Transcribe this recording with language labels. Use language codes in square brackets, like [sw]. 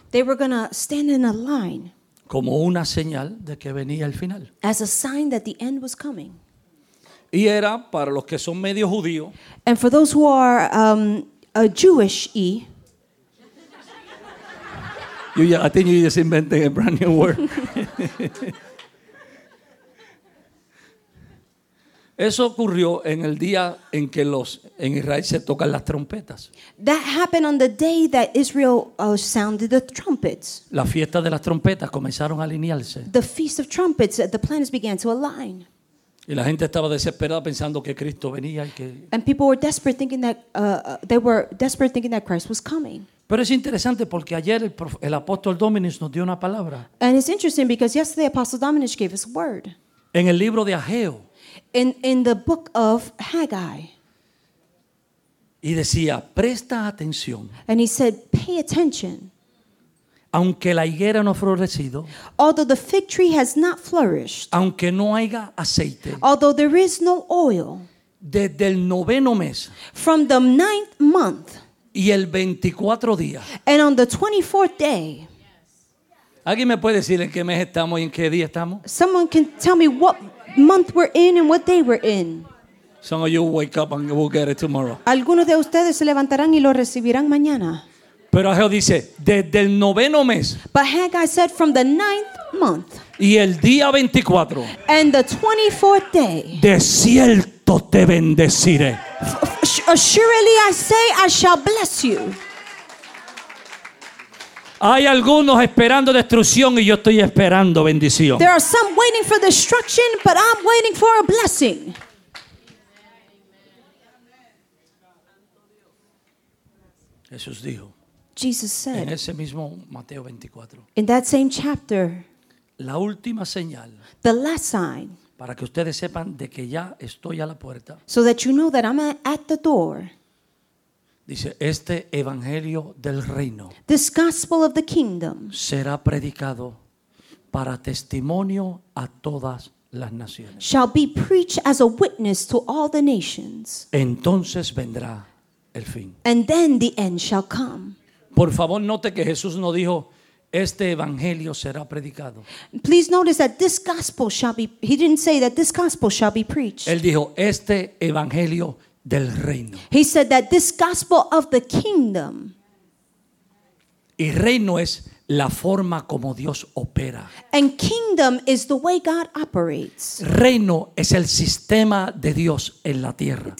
[en] They were going to stand in a line. [es] Como una señal de que venía el final. [en] As a sign that the end was coming. [es] Y era para los que son medio judíos. [en] And for those who are a Jewish-y. I think you just invented a brand new word. [es] Eso ocurrió en el día en que los en Israel se tocan las trompetas. [en] That happened on the day that Israel sounded the trumpets. [es] La fiesta de las trompetas comenzaron a alinearse. [en] The feast of trumpets, the planets began to align. [es] Y la gente estaba desesperada pensando que Cristo venía y que. [en] And people were desperate thinking that they were desperate thinking that Christ was coming. [es] Pero es interesante porque ayer el apóstol Dominic nos dio una palabra. [en] And it's interesting because yesterday Apostle Dominic gave us a word. [es] En el libro de Ageo. [en] In the book of Haggai. [es] Y decía, presta atención. [en] And he said, pay attention. [es] Aunque la higuera no ha florecido. [en] Although the fig tree has not flourished. [es] Aunque no haya aceite. [en] Although there is no oil. [es] Desde el noveno mes. [en] From the ninth month. [es] Y el 24 días. [en] And on the 24th day. [es] ¿Alguien me puede decir en qué mes estamos y en qué día estamos? [en] Someone can tell me what month we're in and what day we're in. Some of you wake up and we'll get it tomorrow. [es] Algunos de ustedes se levantarán y lo recibirán mañana. Pero Ageo dice, desde el noveno mes. [en] But Haggai said from the ninth month. [es] Y el día 24. [en] And the 24th day. [es] De cierto te bendeciré. [en] Surely I say I shall bless you. [es] Hay algunos esperando destrucción y yo estoy esperando bendición. [en] There are some waiting for destruction, but I'm waiting for a blessing. [es] Jesús dijo. [en] Jesus said. [es] En ese mismo Mateo 24. [en] In that same chapter. [es] La última señal. [en] The last sign. [es] Para que ustedes sepan de que ya estoy a la puerta. [en] So that you know that I'm at the door. [es] Dice, este evangelio del reino [en] this gospel of the kingdom [es] será predicado para testimonio a todas las naciones. [en] Shall be preached as a witness to all the nations. [es] Entonces vendrá el fin. [en] And then the end shall come. [es] Por favor, note que Jesús no dijo este evangelio será predicado. [en] Please notice that this gospel shall be. He didn't say that this gospel shall be preached. [es] Él dijo este evangelio del reino. [en] He said that this gospel of the kingdom. [es] Y reino es la forma como Dios opera. [en] And kingdom is the way God operates. [es] Reino es el sistema de Dios en la tierra.